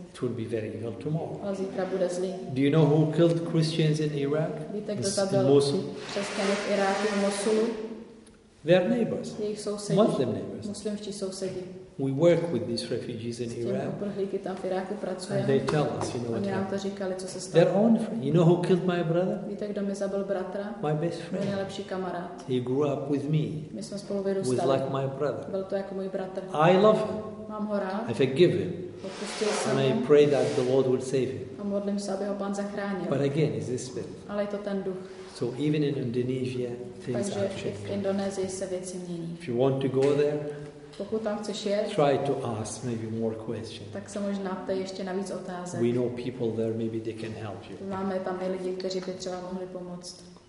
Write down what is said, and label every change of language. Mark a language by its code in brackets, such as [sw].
[en] It would be very evil tomorrow. [cs] A zítra bude zlý. [en] Do you know who killed Christians in Iraq? [cs] Víte, kdo zabil křesťany v Iráku, v Mosulu? [en] Their neighbors. [cs] Jejich sousedí. [en] Muslim neighbors. [cs] Muslimští sousedí. [en] We work with these refugees in Iraq. [cs] Tam v Iráku pracujeme. [en] And they tell us, you know, [cs] oni [en] what [cs] nám to říkali, co se stalo. [en] Their own friend. You know who killed my brother? [cs] Víte, kdo mi zabil bratra? [en] My best friend. [cs] Můj nejlepší kamarád. [en] He grew up with me. [cs] My jsme spolu vyrůstali. [en] Was like my brother. [cs] Byl to jako můj bratr. [en] I love him. [cs] Mám ho rád. [en] I forgive him. [cs] Odpustil jsem. [en] And I pray that the Lord will save him. [cs] A modlím se, aby ho Pán zachránil. [en] But again, is this spirit? [cs] Ale je to ten duch. [en] So even in Indonesia, things [cs] takže [en] are changing. [cs] V Indonésii se věci mění. [en] If you want to go there, [cs] pokud tam chceš jet, [en] try to ask maybe more questions. [cs] Tak se možná ptej ještě navíc otázek. [en] We know people there, maybe they can help you. [cs] Máme tam i lidi, kteří by třeba mohli pomoct.